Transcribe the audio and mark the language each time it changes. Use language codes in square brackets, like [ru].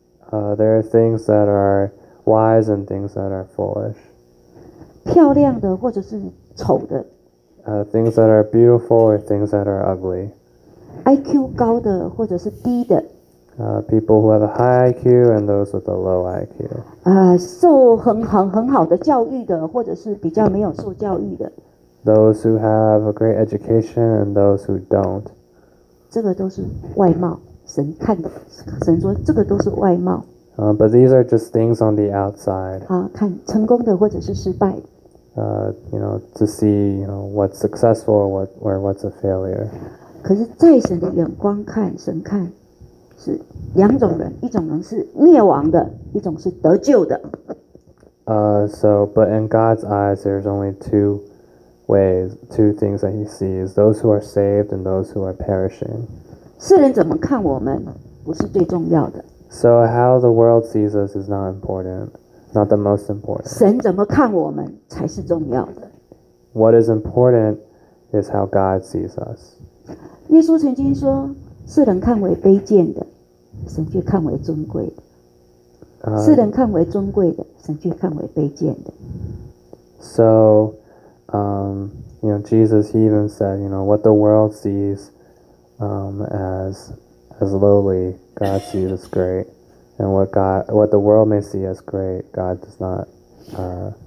[en] There are things that are wise and things that are foolish. [zh] 漂亮的或者是丑的。 [en] Things that are beautiful or things that are ugly. [zh] IQ 高的或者是低的。 [en] People who have a high IQ and those with a low IQ. [zh] 受很好的教育的或者是比较没有受教育的。 [en] Those who have a great education and those who don't. [zh] 这个都是外貌，神说这个都是外貌。 [en] But these are just things on the outside. [zh] 看成功的或者是失败的。 [en] You know, to see, you know, what's successful or what's a failure. [zh] 可是在神的眼光看，神看是两种人，一种人是灭亡的，一种是得救的。 [en] But in God's eyes, there's only two things that He sees: those who are saved and those who are perishing. [zh] 世人怎么看我们，不是最重要的。 [en] So how the world sees us is not important. Not the most important. [zh] 神怎么看我们才是重要的。 [en] What is important is how God sees us. [zh] 耶稣曾经说，世人看为卑贱的，神却看为尊贵的。世人看为尊贵的，神却看为卑贱的。 [en] So, you know, Jesus, he even said, you know, what the world sees as lowly, God sees as great. And what the world may see as great, God does not see so.